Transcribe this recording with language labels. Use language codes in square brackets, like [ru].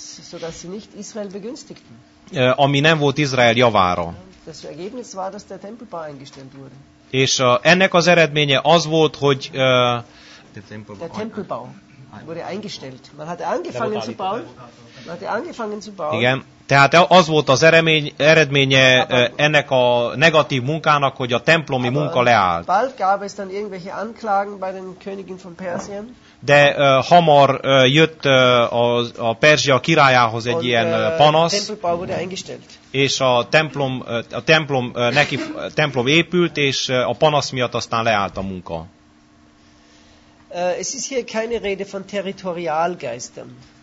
[de] Sodass sie nicht Israel begünstigten. [hu] Ami nem volt Izrael javára. [de] Das Ergebnis war, dass der Tempelbau eingestellt wurde. [hu] És ennek az eredménye az volt, hogy [de] der Tempelbau wurde eingestellt. Man hatte angefangen zu bauen. [hu] Igen, tehát az volt az eredménye ennek a negatív munkának, hogy a templomi munka leállt. [de] Bald gab es dann irgendwelche Anklagen bei den Königen von Persien. [hu] De hamar jött a Perzsia királyához egy ilyen panasz, és a templom épült, és a panasz miatt aztán leállt a munka. [de] Es ist hier keine Rede von Territorialgeistern.